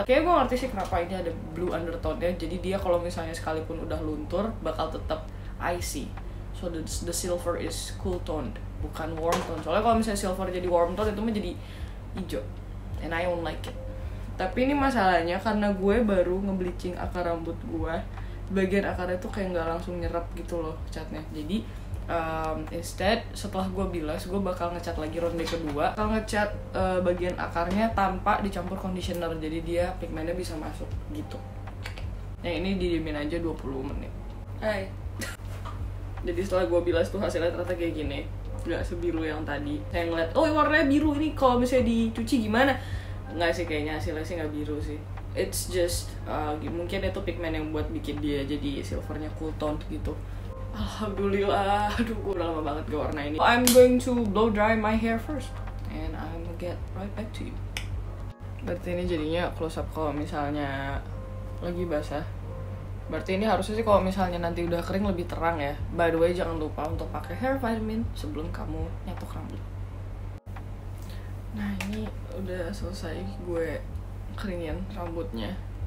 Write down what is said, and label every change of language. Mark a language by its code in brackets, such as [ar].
[id] Kayaknya gue ngerti sih kenapa ini ada blue undertone-nya. Jadi dia kalau misalnya sekalipun udah luntur, bakal tetap icy. [en] So the silver is cool toned, [id] bukan [en] warm tone. [id] Soalnya kalau misalnya silver jadi warm tone, itu menjadi hijau. [en] And I don't like it. [id] Tapi ini masalahnya karena gue baru nge-bleaching akar rambut gue, bagian akarnya tuh kayak gak langsung nyerap gitu loh catnya. Jadi instead, setelah gue bilas, gue bakal ngecat lagi ronde kedua. Bakal ngecat bagian akarnya tanpa dicampur conditioner. Jadi dia pigmentnya bisa masuk gitu. Nah ini didiemin aja 20 menit. Hai. Jadi setelah gue bilas tuh hasilnya ternyata kayak gini. Gak sebiru yang tadi. Saya ngeliat, oh warnanya biru ini kalau misalnya dicuci gimana? Gak sih, kayaknya hasilnya sih gak biru sih. [en] It's just, [id] mungkin itu pigment yang buat bikin dia jadi silvernya cool toned gitu. Alhamdulillah, aduh gue udah lama banget gak warna ini. [en] I'm going to blow dry my hair first and I'm gonna get right back to you. [id] Berarti ini jadinya close up kalau misalnya lagi basah. Berarti ini harusnya sih kalau misalnya nanti udah kering lebih terang ya. By the way, jangan lupa untuk pakai hair vitamin sebelum kamu nyatuk rambut. Nah ini udah selesai gue keringin rambutnya.